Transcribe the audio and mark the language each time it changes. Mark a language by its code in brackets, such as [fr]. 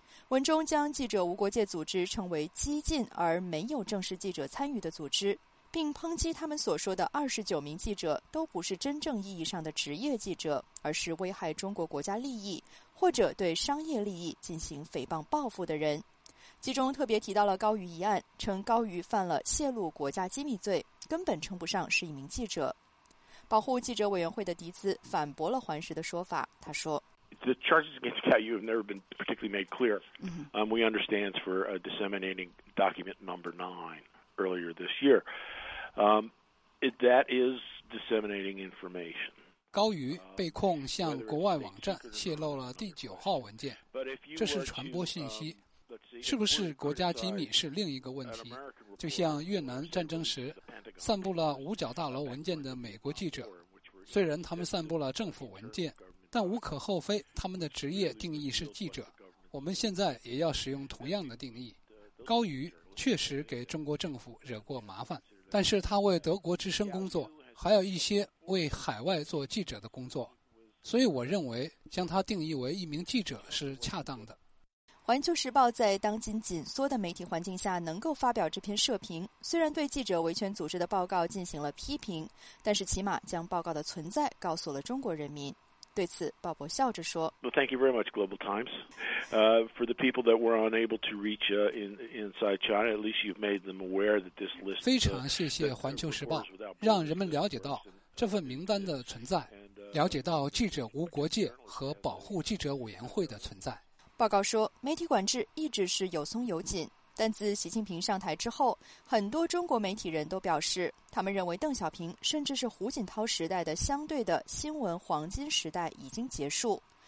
[zh] 文中将记者无国界组织称为激进而没有正式记者参与的组织，并抨击他们所说的29名记者都不是真正意义上的职业记者，而是危害中国国家利益或者对商业利益进行诽谤报复的人。其中特别提到了高瑜一案，称高瑜犯了泄露国家机密罪，根本称不上是一名记者。保护记者委员会的迪兹反驳了环时的说法，他说 [en] The charges against Caillou have never been particularly made clear. We understand for disseminating document number 9 earlier this year. That is disseminating information. [zh] 高瑜被控向国外网站泄露了第九号文件，这是传播信息。是不是国家机密是另一个问题。就像越南战争时，散布了五角大楼文件的美国记者，虽然他们散布了政府文件，但无可厚非，他们的职业定义是记者。我们现在也要使用同样的定义。高瑜确实给中国政府惹过麻烦，但是他为德国之声工作，还有一些为海外做记者的工作，所以我认为将他定义为一名记者是恰当的。环球时报在当今紧缩的媒体环境下能够发表这篇社评，虽然对记者维权组织的报告进行了批评，但是起码将报告的存在告诉了中国人民。对此，鲍勃笑着说 [en] Well, thank you very much, Global Times. For the people that were unable to reach inside China, at least you've made them aware that this list is [zh] 非常谢谢环球时报，让人们了解到这份名单的存在，了解到记者无国界和保护记者委员会的存在。报告说，媒体管制一直是有松有紧，但自习近平上台之后，很多中国媒体人都表示，他们认为邓小平甚至是胡锦涛时代的相对的新闻黄金时代已经结束。